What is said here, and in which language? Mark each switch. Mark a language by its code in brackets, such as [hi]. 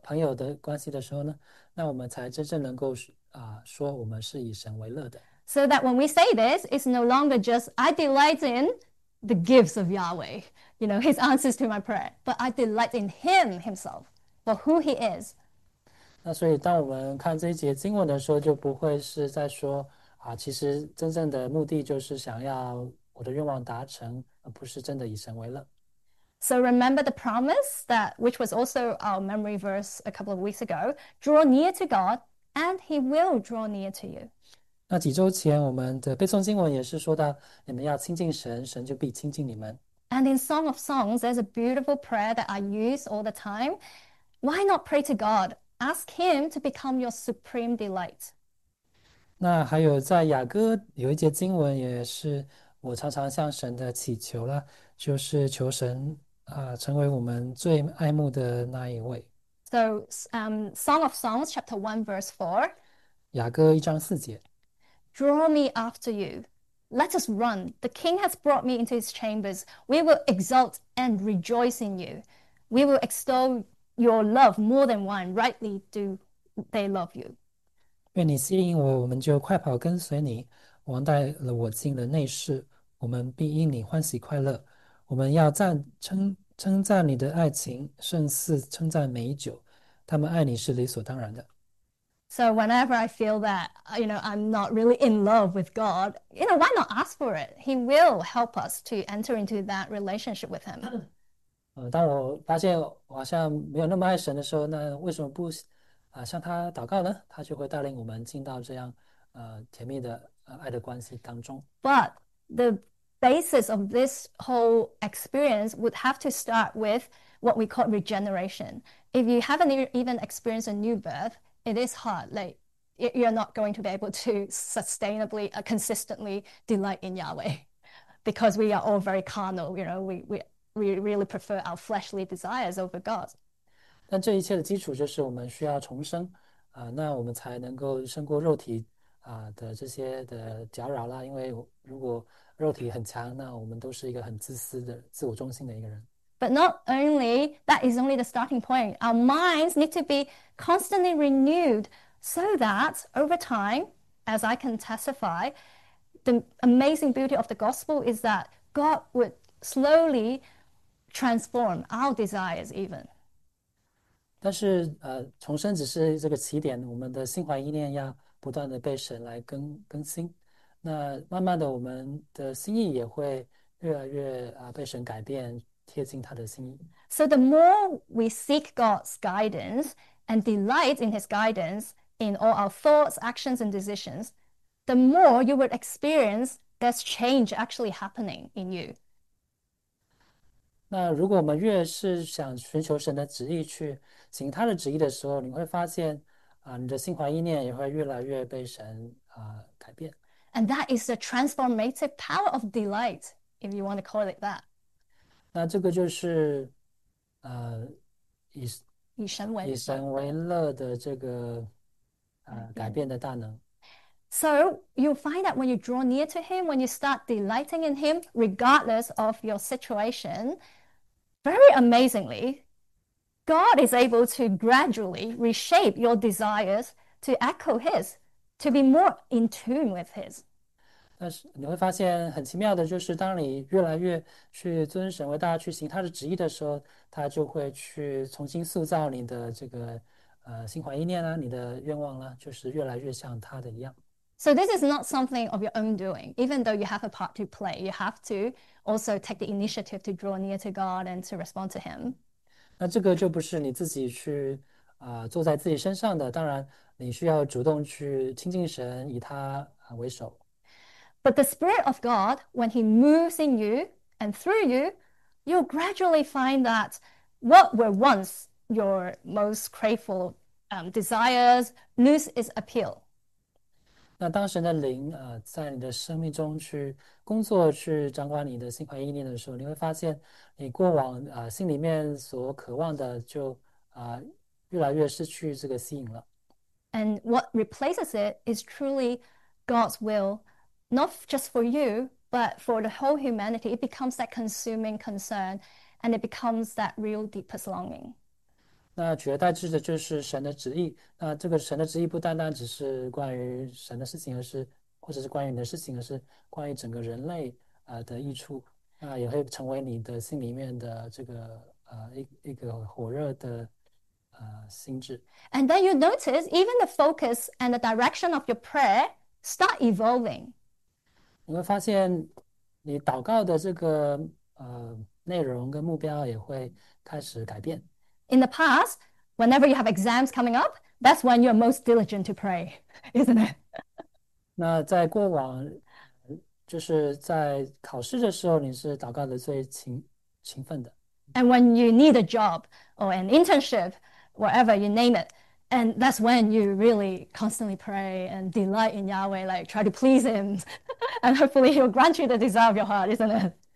[zh] 朋友的关系的时候呢，那我们才真正能够说我们是以神为乐的。 [en] so that when we say this, it's no longer just I delight in the gifts of Yahweh, you know, his answers to my prayer, but I delight in him himself for who he is. [zh] 那所以，当我们看这一节经文的时候，就不会是在说，其实真正的目的就是想要我的愿望达成，而不是真的以神为乐。 [en] So remember the promise that, which was also our memory verse a couple of weeks ago, draw near to God and he will draw near to you. [zh] 那几周前我们的背诵经文也是说到，你们要亲近神，神就必亲近你们。 [en] And in Song of Songs, there's a beautiful prayer that I use all the time. Why not pray to God? Ask Him to become your supreme delight. [zh] 那还有在雅各有一节经文也是我常常向神的祈求了，就是求神成为我们最爱慕的那一位。 [en] So, Song of Songs, chapter 1, verse 4. [zh] 雅各1:4。 [en] Draw me after you. Let us run. The king has brought me into his chambers. We will exult and rejoice in you. We will extol your love more than wine. Rightly do they love you. [zh] 愿你吸引我，我们就快跑跟随你。王带了我进了内室，我们必因你欢喜快乐。我们要称赞你的爱情，胜似称赞美酒。他们爱你是理所当然的。 [en] So whenever I feel that, I'm not really in love with God, why not ask for it? He will help us to enter into that relationship with Him. [zh] 当我发现我好像没有那么爱神的时候，那为什么不？向他祷告呢，他就会带领我们进到这样，甜蜜的，爱的关系当中。 [en] But the basis of this whole experience would have to start with what we call regeneration. If you haven't even experienced a new birth, it is hard, like you're not going to be able to sustainably, consistently delight in Yahweh because we are all very carnal, we really prefer our fleshly desires over God's. [zh] 但这一切的基础就是我们需要重生，那我们才能够胜过肉体的这些的搅扰啦。因为如果肉体很强，那我们都是一个很自私的、自我中心的一个人。 [en] But not only that is only the starting point. Our minds need to be constantly renewed so that over time, as I can testify, the amazing beauty of the gospel is that God would slowly transform our desires even. [zh] 但是，重生只是这个起点，我们的心怀意念要不断的被神来更新，那慢慢的，我们的心意也会越来越被神改变，贴近他的心意。 [en] So the more we seek God's guidance and delight in His guidance in all our thoughts, actions, and decisions, the more you will experience this change actually happening in you. [zh] 那如果我们越是想寻求神的旨意去行他的旨意的时候，你会发现，你的心怀意念也会越来越被神改变。 [en] And that is the transformative power of delight, if you want to call it that. [zh] 那这个就是，以神以为乐。神为乐的这个改变的大能。 [en] So you find that when you draw near to him, when you start delighting in him, regardless of your situation, very amazingly, God is able to gradually reshape your desires to echo his, to be more in tune with his. [zh] 但是你会发现很奇妙的，就是当你越来越去尊神为大家去行他的旨意的时候，他就会去重新塑造你的这个心怀意念啊，你的愿望啊，就是越来越像他的一样。 [en] So this is not something of your own doing, even though you have a part to play. You have to also take the initiative to draw near to God and to respond to Him. [zh] 那这个就不是你自己去做在自己身上的，当然你需要主动去亲近神，以他为首。 [en] But the Spirit of God, when He moves in you and through you, you'll gradually find that what were once your most craveful desires lose its appeal. [zh] 那当神的灵在你的生命中去工作、去掌管你的心怀意念的时候，你会发现，你过往心里面所渴望的就越来越失去这个吸引了。 [en] And what replaces it is truly God's will, not just for you, but for the whole humanity. It becomes that consuming concern, and it becomes that real deepest longing. [zh] 那取而代之的就是神的旨意。那这个神的旨意不单单只是关于神的事情，而是或者是关于你的事情，而是关于整个人类的益处。那也会成为你的心里面的这个一个火热的心智。 [en] And then you notice even the focus and the direction of your prayer start evolving. [zh] 你会发现你祷告的这个内容跟目标也会开始改变。 [en] In the past, whenever you have exams coming up, that's when you're most diligent to pray, isn't it? [zh] 那在过往，就是在考试的时候，你是祷告的最勤奋的。 [en] And when you need a job or an internship, whatever you name it. And that's when you really constantly pray and delight in Yahweh, like try to please him. And hopefully he'll grant you the desire of your heart, isn't it?